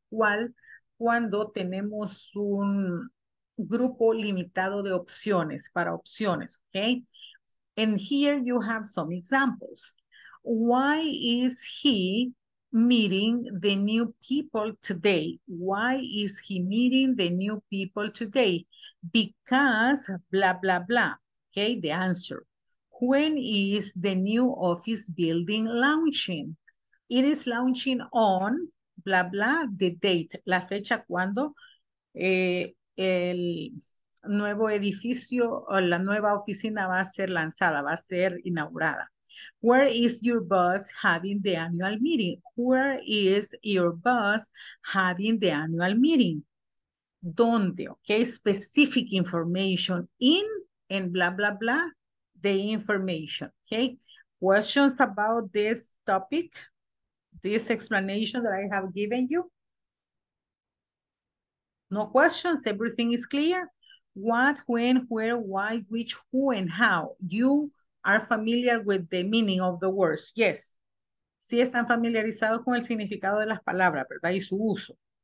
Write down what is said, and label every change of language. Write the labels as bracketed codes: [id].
[es] cual cuando tenemos un grupo limitado de opciones, para opciones, okay? [en] And here you have some examples. Why is he meeting the new people today? Why is he meeting the new people today? Because blah, blah, blah. Okay, the answer. When is the new office building launching? It is launching on blah, blah, the date. [es] La fecha cuando el nuevo edificio o la nueva oficina va a ser lanzada, va a ser inaugurada. [en] Where is your boss having the annual meeting? Where is your boss having the annual meeting? ¿Dónde? Okay, specific information in and blah, blah, blah, the information. Okay, questions about this topic, this explanation that I have given you? No questions, everything is clear. What, when, where, why, which, who, and how? You are familiar with the meaning of the words. Yes. [es] Sí están familiarizados con el significado de las palabras, ¿verdad? Y su uso.